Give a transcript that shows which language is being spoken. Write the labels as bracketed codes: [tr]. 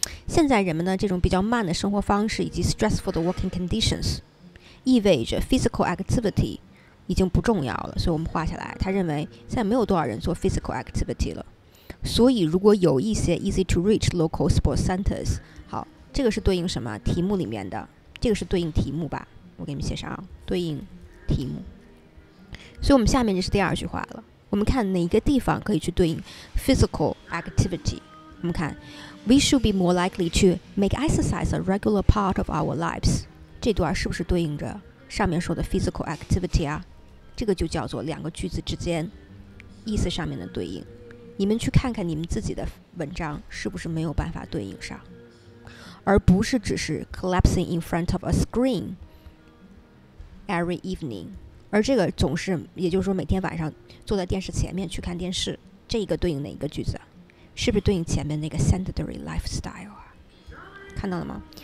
[zh] 现在人们呢这种比较慢的生活方式以及 [en] stressful [zh] 的 working conditions 意味着 physical activity 已经不重要了，所以我们画下来，他认为现在没有多少人做 physical activity 了，所以如果有一些 [en] easy to reach local sports centers， [zh] 好，这个是对应什么题目里面的，这个是对应题目吧，我给你们写上对应题目。所以我们下面就是第二句话了，我们看哪一个地方可以去对应 physical activity。我们看 [en] we should be more likely to make exercise a regular part of our lives， [zh] 这段是不是对应着上面说的 physical activity 啊？这个就叫做两个句子之间意思上面的对应。你们去看看你们自己的文章是不是没有办法对应上，而不是只是 [en] collapsing in front of a screen every evening， [zh] 而这个总是，也就是说每天晚上坐在电视前面去看电视，这个对应哪一个句子，是不是对应前面那个 sedentary lifestyle 啊？看到了吗？